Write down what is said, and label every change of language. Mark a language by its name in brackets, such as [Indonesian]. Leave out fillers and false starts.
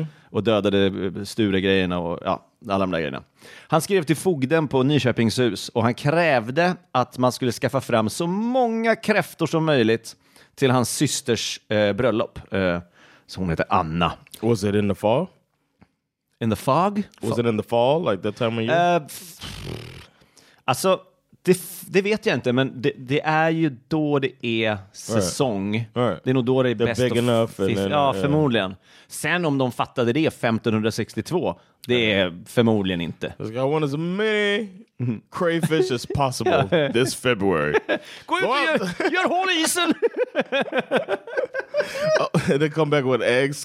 [Swedish] Och dödade Sture-grejerna och ja, alla de där grejerna. Han skrev till fogden på Nyköpings hus och han krävde att man skulle skaffa fram så många kräftor som möjligt till hans systers bröllop. Så hon heter Anna. [English] Was it in the fall? In the fog? Was it in the fall, like that time of year? [Swedish] Alltså, det vet jag inte, men det är ju då det är säsong. [English] Right. [Swedish] Det är nog då det är bäst. [English] Big enough. Then, [Swedish] ja, förmodligen. Sen om de fattade det 1562, det är förmodligen inte. [English] I want as many crayfish as possible this February. [Swedish] Gå ut och gör hål i isen! [English] They come back with eggs.